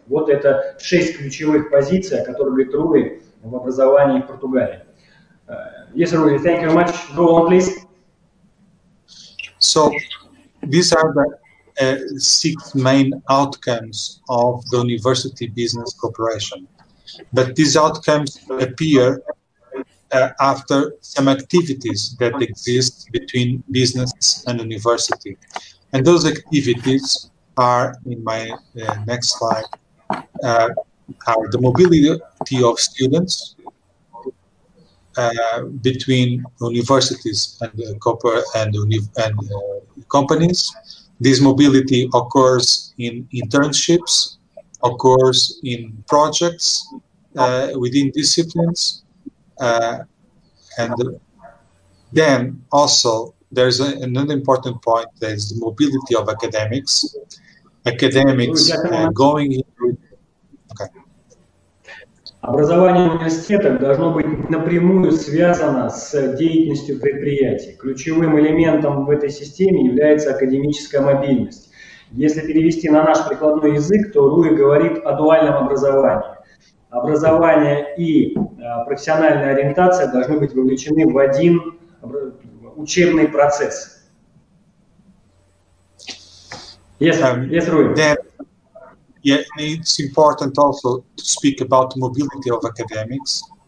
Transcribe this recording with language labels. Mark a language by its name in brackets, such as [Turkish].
[Russian] Вот это шесть ключевых позиций, о которых говорит Руи в образовании в Португалии. [English] Yes, Руи, thank you very much. Go on, please. So these are the six main outcomes of the university business cooperation. But these outcomes appear after some activities that exist between business and university. And those activities are, in my next slide, are the mobility of students between universities and companies. This mobility occurs in internships, occurs in projects within disciplines. And then also there's another important point, that is the mobility of academics. Academics going into... Okay. [Russian] Образование в университетах должно быть напрямую связано с деятельностью предприятий. Ключевым элементом в этой системе является академическая мобильность. Если перевести на наш прикладной язык, то Руи говорит о дуальном образовании. Образование и профессиональная ориентация должны быть вовлечены в один учебный процесс. [English] Yes, Руи. Yeah, it's important also to speak about the mobility of academics.